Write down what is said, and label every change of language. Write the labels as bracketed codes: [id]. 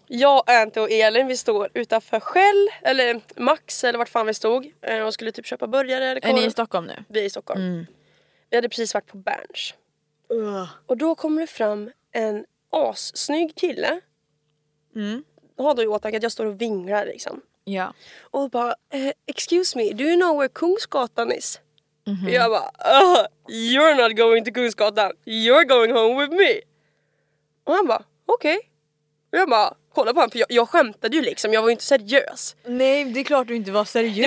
[sv] Jag, Ante och Elin, vi står utanför Shell, eller Max, eller vart fan vi stod. Och skulle typ köpa burgare eller korv. Är ni i Stockholm nu? Vi är i Stockholm. Mm. Vi hade precis varit på Berns. Och då kommer det fram en assnygg kille. Mm. Har då i åtanke att jag står och vinglar liksom. Ja. Och bara, [en] excuse me, do you know where Kungsgatan is? Mm-hmm. [sv] Jag bara, [en] you're not going to Kungsgatan, you're going home with me. [sv] Och han bara, okej. Okay. Jag bara, kolla på honom, för jag skämtade ju liksom, jag var ju inte seriös. Nej, det är klart du inte var seriös.